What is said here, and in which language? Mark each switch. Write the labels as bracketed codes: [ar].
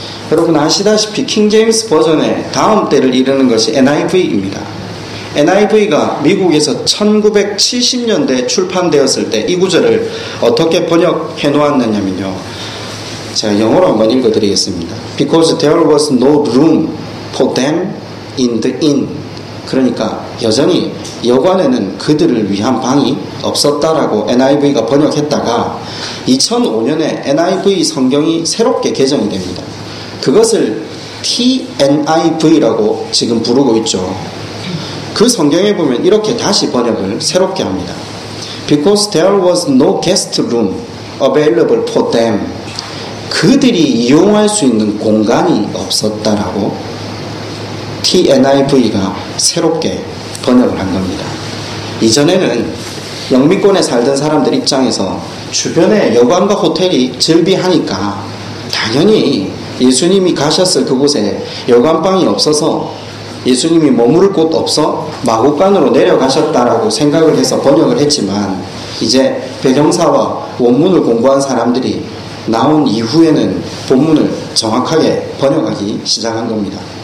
[ko] 여러분 아시다시피 킹제임스 버전의 다음 때를 이르는 것이 NIV입니다. NIV가 미국에서 1970년대에 출판되었을 때 이 구절을 어떻게 번역해 놓았느냐면요. 제가 영어로 한번 읽어드리겠습니다. [en] Because there was no room for them in the inn. [ko] 그러니까 여전히 여관에는 그들을 위한 방이 없었다라고 NIV가 번역했다가 2005년에 NIV 성경이 새롭게 개정이 됩니다. 그것을 TNIV라고 지금 부르고 있죠. 그 성경에 보면 이렇게 다시 번역을 새롭게 합니다. [en] Because there was no guest room available for them. [ko] 그들이 이용할 수 있는 공간이 없었다라고 TNIV가 새롭게 번역을 한 겁니다. 이전에는 영미권에 살던 사람들 입장에서 주변에 여관과 호텔이 즐비하니까 당연히 예수님이 가셨을 그곳에 여관방이 없어서 예수님이 머무를 곳 없어 마구간으로 내려가셨다라고 생각을 해서 번역을 했지만 이제 배경사와 원문을 공부한 사람들이 나온 이후에는 본문을 정확하게 번역하기 시작한 겁니다.